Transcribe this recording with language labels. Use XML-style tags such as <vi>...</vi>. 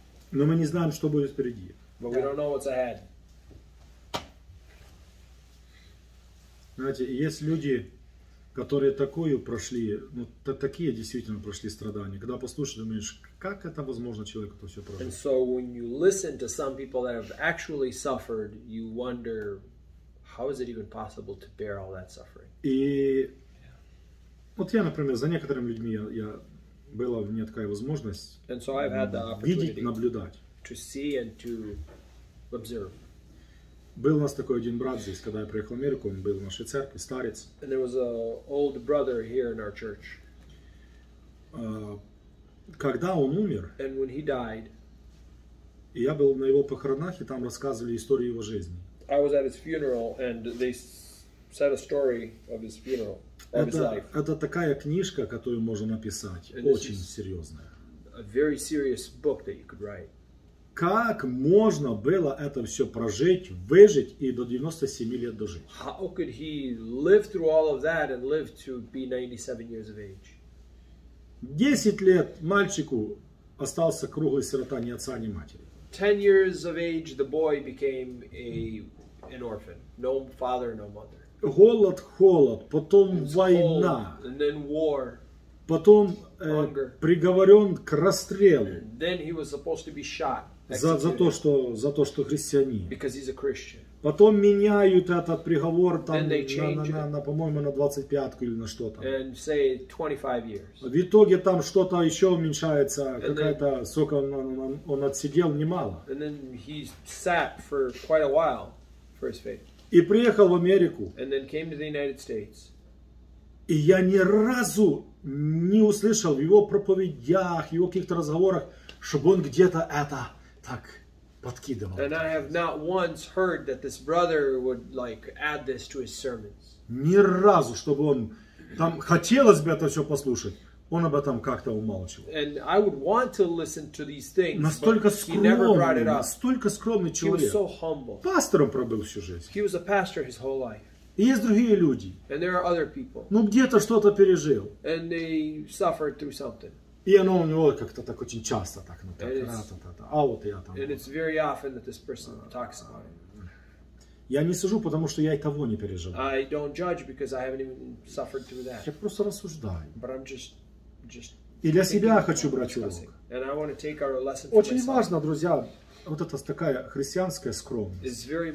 <ru>Но мы не знаем, что будет впереди.</ru> <en>But we don't know what's ahead.</en> <ru>Знаете, есть люди, которые такую прошли, ну, такие действительно прошли страдания. Когда послушаешь, думаешь, как это возможно человеку это все прожить?</ru> <en>And so when you listen to some people that have actually suffered, you wonder, how is it even possible to bear all that suffering?</en> <ru>И вот я, например, за некоторыми людьми я была мне такая возможность</ru> <en>and so I've had the opportunity</en> <ru>видеть, наблюдать.</ru> <en>To see and to observe.</en> <ru>Был у нас такой один брат здесь, когда я приехал в Америку, он был в нашей церкви, старец.</ru> <en>And there was an old brother here in our church.</en> <ru>Когда он умер,</ru> <en>and when he died,</en> <ru>я был на его похоронах, и там рассказывали историю его жизни.</ru> <en>I was at his funeral, and they said a story of his funeral, of</en> <ru>это,</ru> <en>his life.</en> <ru>Это такая книжка, которую можно написать,</ru> <en>and</en> <ru>очень серьезная.</ru> <en>A very serious book that you could write.</en> <ru>Как можно было это все прожить, выжить и до 97 лет дожить?</ru> <en>How could he live through all of that and live to be 97 years of age?</en> <ru>10 лет мальчику остался круглый сирота, ни отца, ни матери.</ru> <en>10 years of age the boy became an orphan. No father, no mother.</en> <ru>Голод, холод, потом война.</ru> <en>And then war.</en> <ru>Потом приговорен к расстрелу.</ru> <en>And then he was supposed to be shot.</en> <ru>За то, что христианин.</ru> <en>Because he's a Christian.</en> <ru>Потом меняют этот приговор там на по-моему, на 25-ку или на что-то.</ru> <en>And say 25 years.</en> <ru>В итоге там что-то еще уменьшается, какая-то, сколько он отсидел, немало.</ru> <en>And then he sat for quite a while for his faith.</en> <ru>И приехал в Америку.</ru> <en>And then came to the United States.</en> <ru>И я ни разу не услышал в его проповедях, его каких-то разговорах, чтобы он где-то это...</ru> <en>And I have not once heard that this brother would like add this to his sermons.</en> <ru>Ни разу, чтобы он там хотелось бы это все послушать, он об этом как-то умалчивал.</ru> <en>And I would want to listen to these things.</en> <ru>Настолько скромный,</ru> <en>but he never brought it up.</en> <ru>Настолько скромный человек.</ru> <en>He was so humble.</en> <ru>Пастором пробыл всю жизнь.</ru> <en>He was a pastor his whole life.</en> <ru>И есть другие люди.</ru> <en>And there are other people.</en> <ru>Ну где-то что-то пережил.</ru> <en>And they suffered through something.</en> <ru>И оно у него как-то так очень часто так, ну так, а вот я там.</ru> <en>And it's very often that this person talks about it.</en> <ru>Я не сужу, потому что я и того не пережил.</ru> <en>I don't judge because I haven't even suffered through that.</en> <ru>Я просто рассуждаю.</ru> <en>But I'm just</en> <ru>И для себя я хочу брать урок. Очень важно, друзья, вот это такая христианская скромность.</ru>